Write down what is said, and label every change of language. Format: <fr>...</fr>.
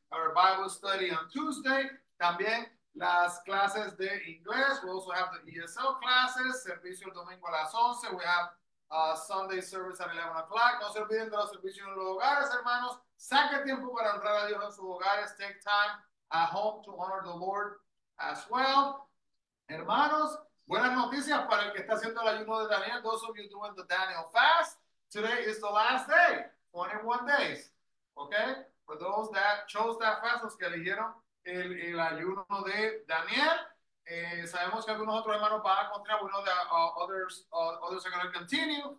<en>Our Bible study on Tuesday.</en> <es>También las clases de inglés.</es> <en>We also have the ESL classes.</en> <es>Servicio el domingo a las 11.</es> <en>We have Sunday service at 11 o'clock.</en> <es>No se olviden de los servicios en los hogares, hermanos. Saque tiempo para honrar a Dios en sus hogares.</es> <en>Take time at home to honor the Lord as well.</en> <es>Hermanos, buenas noticias para el que está haciendo el ayuno de Daniel.</es> <en>Those of you doing the Daniel fast. Today is the last day. 21 days. Okay? For those that chose that fast,</en> <es>los que eligieron el ayuno de Daniel. Sabemos que algunos otros hermanos van a continuar, bueno,</es> <en>others are going to continue.</en>